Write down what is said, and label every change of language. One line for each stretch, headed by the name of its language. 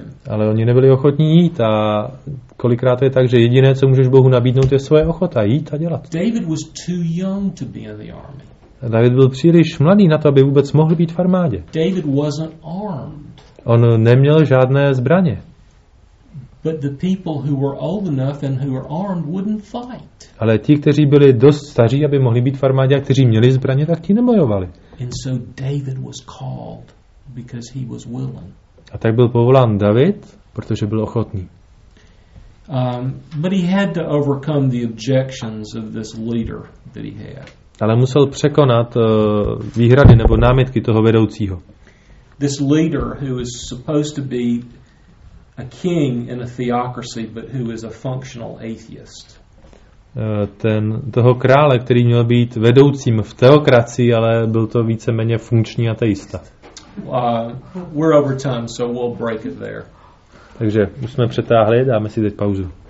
Czech: Ale oni nebyli ochotní jít a kolikrát je tak, že jediné, co můžeš Bohu nabídnout, je svoje ochota jít a dělat.
English: David was too young to be in the army.
Czech: David byl příliš mladý na to, aby vůbec mohl být v armádě.
English: David wasn't armed.
Czech: On neměl žádné zbraně.
English: But the people who were old enough and who were armed wouldn't fight.
Czech: Ale ti, kteří byli dost staří, aby mohli být v armádě, kteří měli zbraně, tak ti nebojovali.
English: And so David was called because he was willing.
Czech: A tak byl povolán David, protože byl ochotný.
English: But he had to overcome the objections of this leader that he had.
Czech: Ale musel překonat výhrady nebo námitky toho vedoucího.
English: This leader who is supposed to be a king in a theocracy, but who is a functional atheist.
Czech: Ten toho krále, který měl být vedoucím v teokracii, ale byl to víceméně funkční ateista.
English: We're over time, so we'll break it there.
Czech: Takže už jsme přetáhli, dáme si teď pauzu.